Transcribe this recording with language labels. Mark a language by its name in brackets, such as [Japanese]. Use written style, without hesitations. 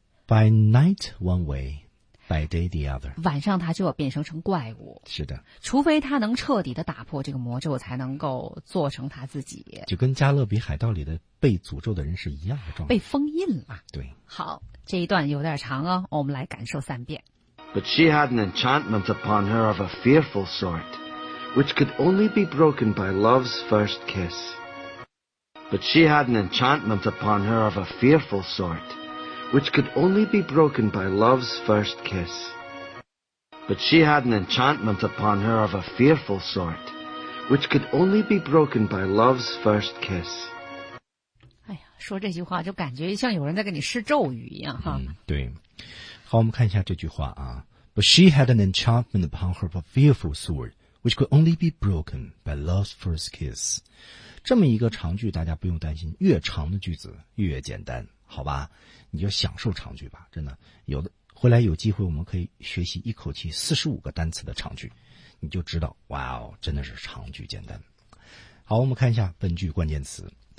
[English] ，By night one way, by day the other。 [Chinese] 晚上她就要变成怪物。是的，除非她能彻底的打破这个魔咒，才能够做成她自己。就跟《加勒比海盗》里的被诅咒的人是一样的状态，被封印了。对，好，这一段有点长哦，我们来感受三遍。 [English] But she had an enchantment upon her of a fearful sort, which could only be broken by love's first kiss. But she had an enchantment upon her of a fearful sort, which could only be broken by love's first kiss. But she had an enchantment upon her of a fearful sort, which could only be broken by love's first kiss. [Chinese] 哎呀，说这句话就感觉像有人在给你施咒语一样哈。嗯，对。好，我们看一下这句话啊。 [English] But she had an enchantment upon her of a fearful sort. Which could only be broken by love's first kiss. [Chinese] 这么一个长句大家不用担心，越长的句子越简单，好吧，你就享受长句吧，真的。有的回来有机会我们可以学习一口气45个单词的长句，你就知道哇哦，真的是长句简单。好，我们看一下本句关键词。